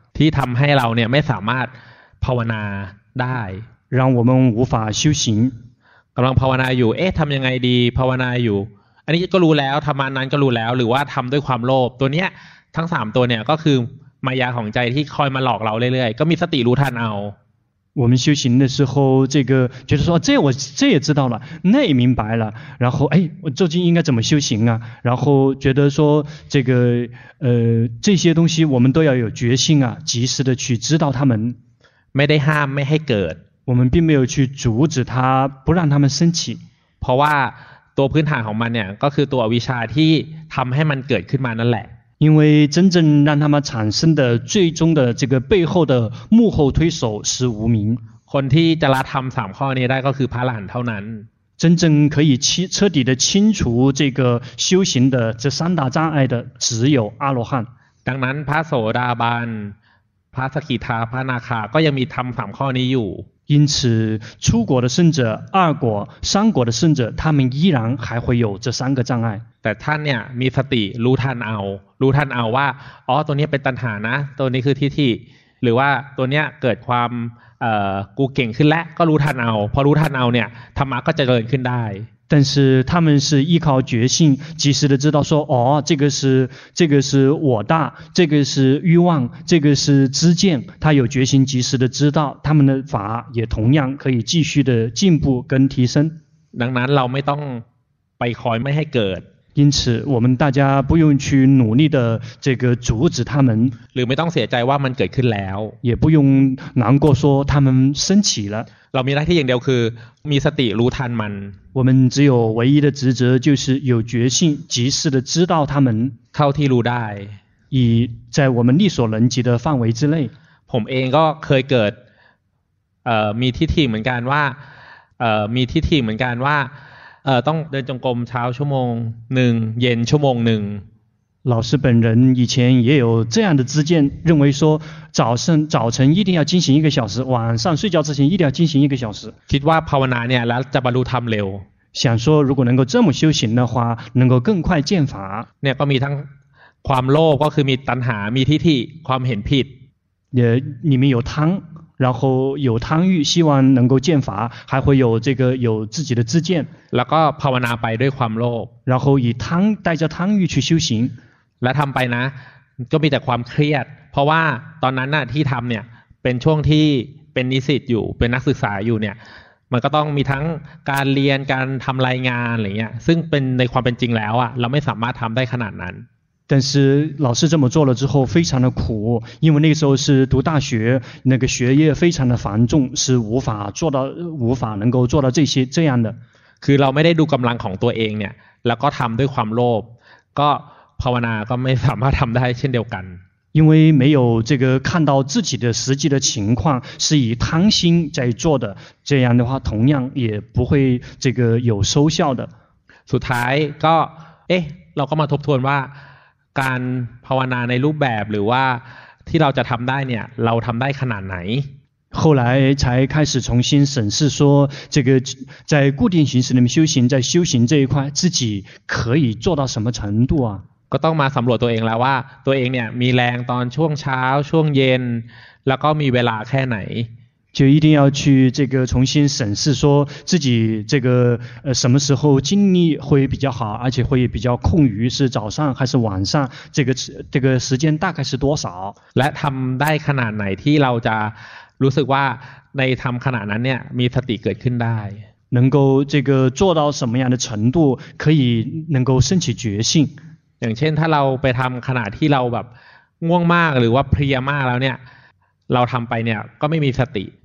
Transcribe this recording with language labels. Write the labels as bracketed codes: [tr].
[th] ที่ทำให้เราเนี่ยไม่สามารถภาวนาได้ [zh] 让我们无法修行 [th] กำลังภาวนาอยู่เอ๊ะทำยังไงดีภาวนาอยู่อันนี้ก็รู้แล้วทำมานั้นก็รู้แล้วหรือว่าทำด้วยความโลภตัวเนี้ยทั้ง3ตัวเนี่ยก็คือมายาของใจที่คอยมาหลอกเราเรื่อยๆก็มีสติรู้ทันเอา [zh] 我们修行的时候，这个觉得说，这也知道了，那也明白了，然后哎，我究竟应该怎么修行啊？然后觉得说，这个这些东西我们都要有决心啊，及时的去知道他们。 [th] ไม่ได้ห้ามไม่ให้เกิด。 [zh] 我们并没有去阻止它，不让他们升起。 [th] เพราะว่าตัวพื้นฐานของมันเนี่ยก็คือตัวอวิชชาที่ทำให้มันเกิดขึ้นมานั่นแหละ。 [zh] 因为真正让他们产生的最终的这个背后的幕后推手是无明 [th] คนที่จะละธรรม3ข้อนี้ได้ก็คือพระอรหันต์เท่านั้น [zh] 真正可以彻底的清除这个修行的这三大障碍的只有阿罗汉。 [th] ดังนั้นพระโสดาบันพระสกิทาพระอนาคาก็ยังมีธรรมสามข้อนี้อยู่ [zh] 因此初果的圣者二果三果的圣者他们依然还会有这三个障碍 [th] แต่ท่านเนี่ยมีสติรู้ท่านเอารู้ท่านเอาว่าอ๋อตัวนี้เป็นตัณหานะตัวนี้คือทิฏฐิหรือว่าตัวเนี้ยเกิดความกูเก่งขึ้นแล้วก็รู้ท่านเอาพอรู้ท่านเอาเนี่ยธรรมะก็จะเกิดขึ้นได้ [zh] 但是他们是依靠觉性及时的知道说哦这个是我大这个是欲望这个是知见他有觉性及时的知道他们的法也同样可以继续的进步跟提升 [th] ดังนั้นเราไม่ต้องไปคอยไม่ให้เกิด [zh] 因此我们大家不用去努力的这个阻止他们 [th] หรือไม่ต้องเสียใจว่ามันเกิดขึ้นแล้ว [zh] 也不用难过说他们升起了 [th] เรามีหน้าที่อย่างเดียวคือมีสติรู้ทันมัน [zh] 我们只有唯一的职责就是有决心及时的知道他们 [th] เข้าที่รู้ได้ [zh] 以在我们力所能及的范围之内 [th] ผมเองก็เคยเกิดมีทิฏฐิเหมือนกันว่ามีทิฏฐิเหมือนกันว่าต้องเดินจงกรมเช้าชั่วโมงหนึ่งเย็นชั่วโมงหนึ่ง [zh] 老师本人以前也有这样的自见，认为说早晨一定要进行一个小时，晚上睡觉之前一定要进行一个小时。 [th] คิดว่าภาวนาเนี่ยแล้วจะบรรลุธรรมเร็ว [zh] 想说如果能够这么修行的话，能够更快见法。 [th] เนี่ยก็มีทั้งความโลภก็คือมีตัณหามีทิฏฐิความเห็นผิด [zh] 也里面有贪，然后有贪欲，希望能够见法，还会有这个有自己的自见。 [th] แล้วก็ภาวนาไปด้วยความโลภ [zh] 然后以贪带着贪欲去修行。 [th] และทำไปนะก็มีแต่ความเครียดเพราะว่าตอนนั้นน่ะที่ทำเนี่ยเป็นช่วงที่เป็นนิสิตอยู่เป็นนักศึกษาอยู่เนี่ยมันก็ต้องมีทั้งการเรียนการทำรายงานอะไรเงี้ยซึ่งเป็นในความเป็นจริงแล้วอ่ะเราไม่สามารถทำได้ขนาดนั้น [zh] 但是老师这么做了之后非常的苦因为那个时候是读大学那个学业非常的繁重是无法能够做到这样的 [th] คือเราไม่ได้ดูกำลังของตัวเองเนี่ยแล้วก็ทำด้วยความโลภก็ภาวนาก็ไม่สามารถทำได้เช่นเดียวกัน [zh] 因为没有这个看到自己的实际的情况是以贪心在做的这样的话同样也不会这个有收效的 [th] สุดท้ายก็เอ๊ะเราก็มาทบทวนว่าการภาวนาในรูปแบบหรือว่าที่เราจะทำได้เนี่ยเราทำได้ขนาดไหน [zh] 后来才开始重新审视说这个在固定形式里面修行在修行这一块自己可以做到什么程度啊 [th] ก็ต้องมาสำรวจตัวเองแล้วว่าตัวเองเนี่ยมีแรงตอนช่วงเช้าช่วงเย็นแล้วก็มีเวลาแค่ไหน [zh] 就一定要去这个重新审视说自己这个什么时候精力会比较好而且会比较空余是早上还是晚上这个时间大概是多少 [th] และทำได้ขนาดไหนที่เราจะรู้สึกว่าในทำขนาดนั้นเนี่ยมีสติเกิดขึ้นได้ [zh] 能够这个做到什么样的程度可以能够升起觉性 [th] อย่างเช่นถ้าเราไปทำขนาดที่เราแบบง่วงมากหรือว่าเพลียมากแล้วเนี่ยเราทำไปเนี่ยก็ไม่มีสติ